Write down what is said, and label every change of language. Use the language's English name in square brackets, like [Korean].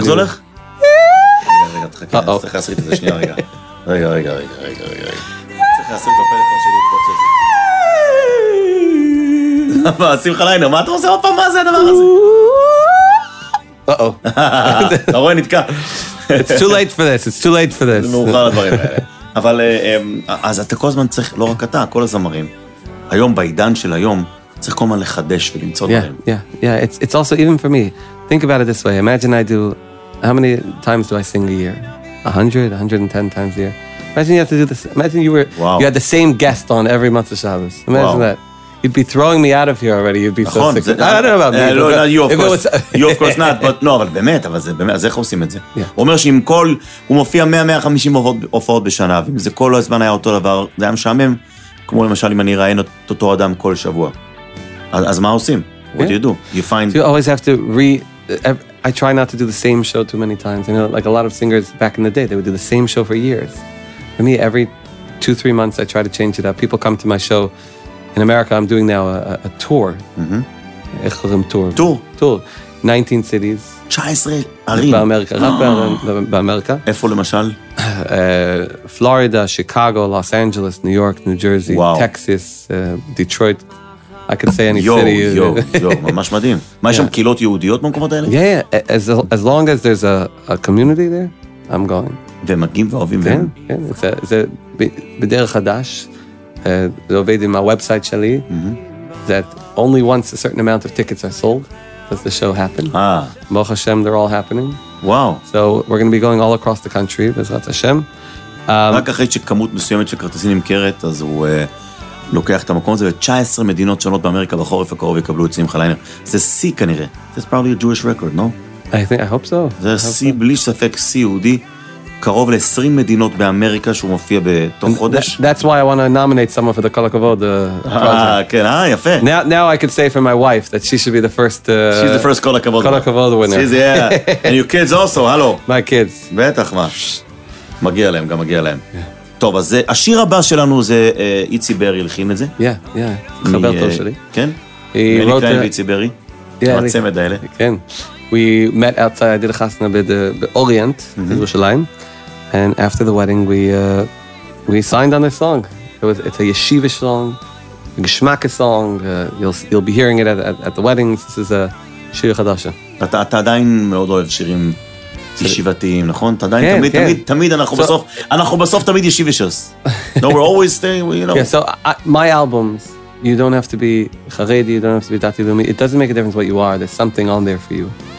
[English] music. How's it going? It's too late for this, it's too late for this. [Hebrew] אבל אז אתה כל הזמן צריך, לא רק אתה, כל הזמרים, היום בעידן של היום, צריך כל הזמן לחדש ולמצוא דברים. [English] Yeah, yeah, yeah. It's also, even for me, think about it this way. Imagine I do How many times do I sing a year? 100, 110 times a year. Imagine you have to do this. Imagine you were, wow, you had the same guest on every month of Shabbos. Imagine, wow, that. You'd be throwing me out of here already. You'd be so sick. I don't know about me. [Hebrew] לא, [English] you, of course. You, of course, not. But no, [Hebrew] אבל באמת, אבל זה, באמת, אז איך עושים את זה? הוא אומר שאם כל, הוא מופיע 100-150 הופעות בשנה, ואם זה כל הזמן היה אותו דבר, זה היה משעמם, כמו למשל אם אני ראיין את אותו אדם כל שבוע. אז מה עושים? [English] What do you do? You find... You always have to I try not to do the same show too many times. I know, like a lot of singers back in the day, they would do the same show for years. For me, every 2-3 months, I try to change it up. People come to my show. In America, I'm doing now a tour. [Hebrew] איך קוראים tour? [English] Tour. 19 cities. [Hebrew] 19 ערים. באמריקה, רק באמריקה. איפה למשל? [English] Florida, Chicago, Los Angeles, New York, New Jersey, Texas, Detroit. I could say any city. [Hebrew] יו, יו, ממש מדהים. מה, יש שם קהילות יהודיות במקומות האלה? [English] Yeah, yeah. As long as there's a community there, I'm going. [Hebrew] ומגיעים ואוהבים והם? כן, כן. זה בדרך חדש. זה עובד עם הוובסייט שלי, [English] that only once a certain amount of tickets are sold, does the show happen. ברוך השם, they're all happening. [Hebrew] וואו. [English] So we're going to be going all across the country, בעזרת השם. [Hebrew] רק אחרי שכמות מסוימת של כרטיסים נמכרת, אז הוא לוקח את המקום הזה, ו-19 מדינות שונות באמריקה בחורף הקרוב יקבלו את שמחה ליינר. זה סי כנראה. [English] That's probably a Jewish record, no? I hope so. [Hebrew] זה סי, בלי ספק, סי יהודי. קרוב ל-20 מדינות באמריקה שהוא מופיע בתוך חודש. [English] That's why I want to nominate someone for the Kol HaKavod. [Hebrew] כן, יפה. [English] Now I could say for my wife that she should be the first... she's the first Kol HaKavod. Kol HaKavod winner. She's, yeah. And your kids also, hello. My kids. [Hebrew] בטח, מה. מגיע להם, גם מגיע להם. טוב, אז השיר הבא שלנו זה איצי ברי, הלחין את זה. [English] Yeah, yeah. [Hebrew] חבר טוב שלי. כן? מניקיים ואיצי ברי. מהצמד האלה. כן. [English] We met outside, I did a chasna with the Orient, in Jerusalem. And after the wedding, we signed on this song. It's a yeshiva song, a geshmaka song. You'll be hearing it at the weddings. This is a shir chadasha. [Hebrew] אתה עדיין מאוד אוהב שירים ישיבתיים, נכון? אתה עדיין תמיד, אנחנו בסוף תמיד ישיבישס. [English] No, we're always staying, you know. Yeah, so my albums, you don't have to be charedi, you don't have to be dati lumi. It doesn't make a difference what you are. There's something on there for you.